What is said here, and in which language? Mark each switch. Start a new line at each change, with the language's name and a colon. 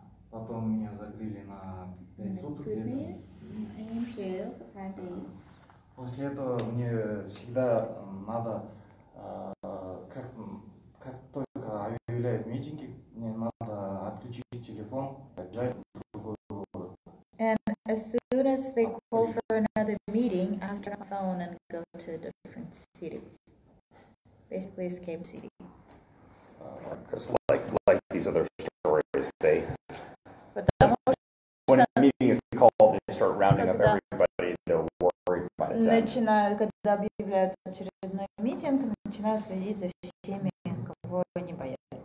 Russian: Потом меня закрыли на 5 суток где-то.
English: In jail for 5 days.
Russian: После этого мне всегда надо, как только объявляют митинги, мне надо отключить телефон, отжать другой город.
English: And as soon as they call for another meeting, I turn my phone and go to a different city. Basically escape city. Because like these other stories, they... But that was... When a meeting is called, they start rounding up everybody, they're worried about its end.
Russian: Когда объявляют очередной митинг, начинают следить за всеми, кого они боятся.